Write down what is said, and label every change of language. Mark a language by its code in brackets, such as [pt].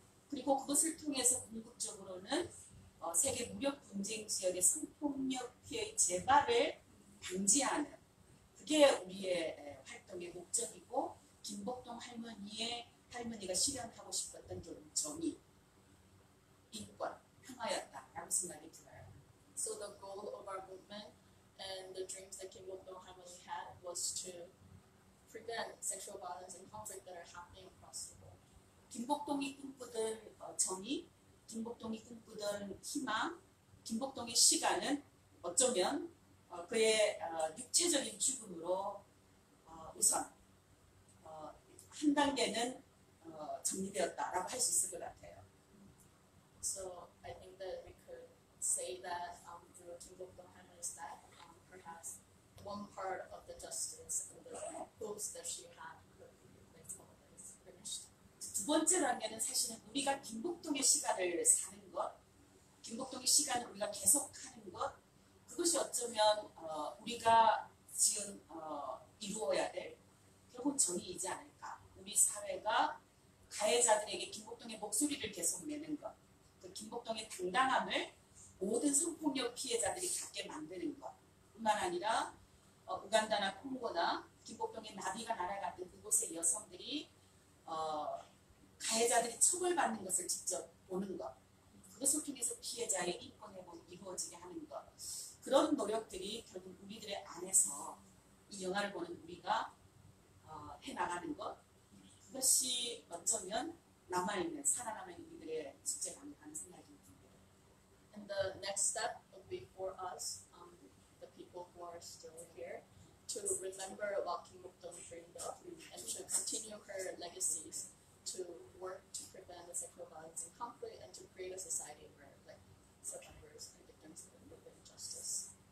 [ko] 그리고 그것을 통해서 궁극적으로는 세계 무력 분쟁 지역의 성폭력 피해의 재발을 방지하는 그게 우리의 활동의 목적이고 김복동 할머니가 실현하고 싶었던 정의, 인권, 평화였다라고 생각이 들어요. [en] So the goal of our movement and the dreams that Kim Bok Dong Harmony had was to prevent sexual violence and conflict that are happening across the world. [ko] 김복동이 꿈꾸던 정의, 김복동이 꿈꾸던 희망, 김복동의 시간은 어쩌면 그의 육체적인 죽음으로 우선 한 단계는 정리되었다라고 할 수 있을 것 같아요. [en] So I think that we could say that through Kim Bok Dong is that perhaps one part of the justice and the hopes that she had could be finished. [ko] 두 번째라면 사실은 우리가 김복동의 시간을 사는 것, 김복동의 시간을 우리가 계속하는 것, 그것이 어쩌면 우리가 지금 이루어야 될 결국 정의이지 않을까. 우리 사회가 가해자들에게 김복동의 목소리를 계속 내는 것, 그 김복동의 당당함을 모든 성폭력 피해자들이 갖게 만드는 것 뿐만 아니라 우간다나 콩고나 김복동의 나비가 날아갔던 그곳의 여성들이 가해자들이 처벌받는 것을 직접 보는 것, 그것을 통해서 피해자의 인권 회복이 이루어지게 하는 것, 그런 노력들이 결국 우리들의 안에서 이 영화를 보는 우리가 해나가는 것, 그것이 어쩌면 남아있는, 살아남은 우리들의 직제라는 생각이 듭니다. [en] And the next step would be for us, the people who are still here, to remember what Kim Bok Dong dreamed of and to continue her legacies to work to prevent the sexual violence and conflict and to create a society where like, survivors and victims can live in justice.